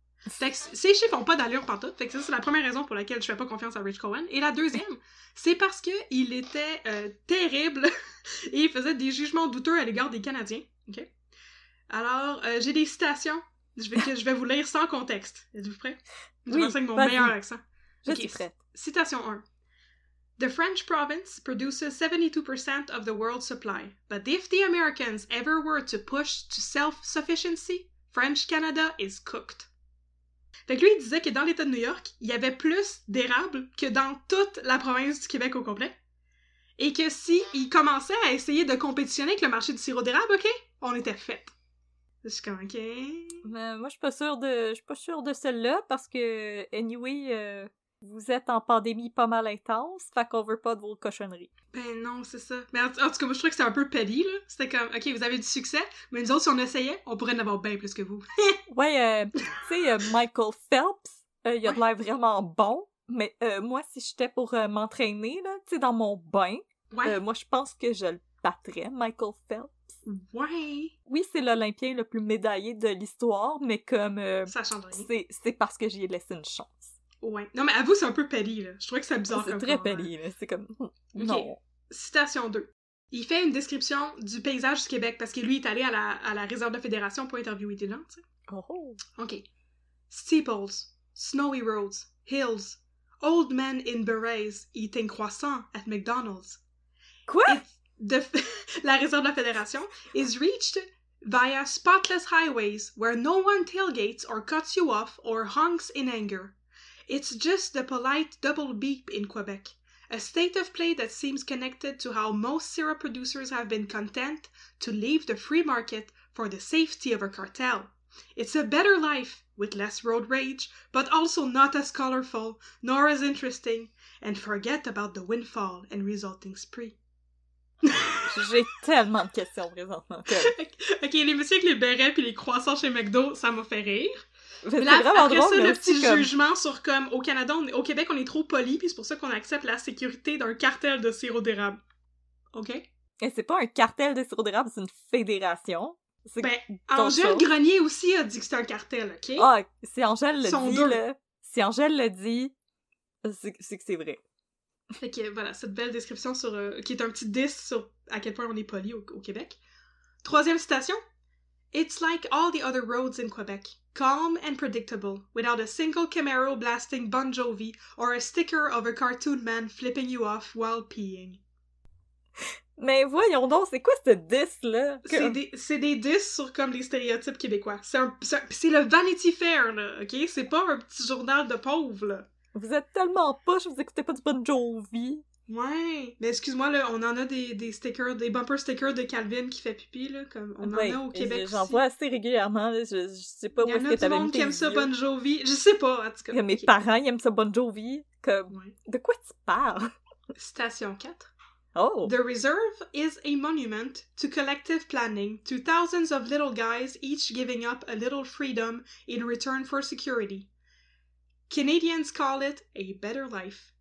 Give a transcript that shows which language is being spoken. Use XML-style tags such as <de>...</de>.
<fr>Fait que ces chiffres ont pas d'allure partout. Fait que ça, c'est la première raison pour laquelle je fais pas confiance à Rich Cohen. Et la deuxième, c'est parce que il était terrible et il faisait des jugements douteux à l'égard des Canadiens. Okay? Alors, j'ai des citations que je vais vous lire sans contexte. Êtes-vous prêts? Oui, je pense que mon meilleur accent. Okay. Je suis prêt. Citation 1.</fr> <en>The French province produces 72% of the world supply. But if the Americans ever were to push to self-sufficiency, French Canada is cooked.</en> <fr>Fait que lui, il disait que dans l'État de New York, il y avait plus d'érable que dans toute la province du Québec au complet. Et que s'il commençait à essayer de compétitionner avec le marché du sirop d'érable, OK, on était fait. Je suis comme, OK... Ben, moi, je suis pas sûre de celle-là, parce que, anyway, vous êtes en pandémie pas mal intense, fait qu'on veut pas de vos cochonneries. Ben non, c'est ça. Mais en tout cas, moi, je trouve que c'était un peu petty, là. C'était comme, OK, vous avez du succès, mais nous autres, si on essayait, on pourrait en avoir bien plus que vous. Ouais, tu sais, Michael Phelps, il a de l'air vraiment bon, mais moi, si j'étais pour m'entraîner, là, tu sais, dans mon bain, moi, je pense que je le battrais, Michael Phelps. Ouais! Oui, c'est l'Olympien le plus médaillé de l'histoire, mais comme... ça change rien. C'est parce que j'y ai laissé une chance. Ouais. Non, mais avoue, c'est un peu petty, là. Je trouvais que c'est bizarre. C'est très petty, là. C'est comme... Okay. Non. Citation 2. Il fait une description du paysage du Québec, parce que lui, il est allé à la réserve de fédération pour interviewer des gens, tu sais. Oh! OK.</fr> <en>Steeples, snowy roads, hills, old men in berets eating croissants at McDonald's.</en> <fr>Quoi?</fr> <en>La réserve de la fédération is reached... via spotless highways where no one tailgates or cuts you off or honks in anger. It's just the polite double beep in Quebec, a state of play that seems connected to how most syrup producers have been content to leave the free market for the safety of a cartel. It's a better life with less road rage, but also not as colorful nor as interesting, and forget about the windfall and resulting spree.</en> <fr>J'ai tellement de questions présentement. Okay. OK, les messieurs avec les bérets puis les croissants chez McDo, ça m'a fait rire. Mais là, c'est après drôle, ça, mais le petit jugement comme... sur comme au Canada, au Québec, on est trop poli puis c'est pour ça qu'on accepte la sécurité d'un cartel de sirop d'érable. OK? Et c'est pas un cartel de sirop d'érable, c'est une fédération. C'est ben, Angèle chose. Grenier aussi a dit que c'était un cartel, OK? Ah, oh, si Angèle le dit, là, si Angèle le dit, c'est que c'est vrai. Fait que voilà, cette belle description sur qui est un petit diss sur à quel point on est poli au Québec. Troisième citation.</fr> <en>It's like all the other roads in Quebec. Calm and predictable, without a single Camaro blasting Bon Jovi or a sticker of a cartoon man flipping you off while peeing.</en> <fr>Mais voyons donc, c'est quoi ce diss là? C'est des diss sur comme les stéréotypes québécois. C'est le Vanity Fair là, ok? C'est pas un petit journal de pauvres là. Vous êtes tellement poche, vous écoutez pas du Bon Jovi. Ouais, mais excuse-moi, là, on en a des stickers, des bumper stickers de Calvin qui fait pipi, là, comme on ouais, en a au Québec aussi. J'en vois assez régulièrement, là, je sais pas y où est-ce que t'avais mis. Il y en a du monde qui aime ça, Bon Jovi, je sais pas, en tout cas. Y a mes parents, ils aiment ça, Bon Jovi, comme, ouais. De quoi tu parles? Citation 4. Oh!</fr> <en>The reserve is a monument to collective planning, to thousands of little guys, each giving up a little freedom in return for security. Canadians call it a better life.</en>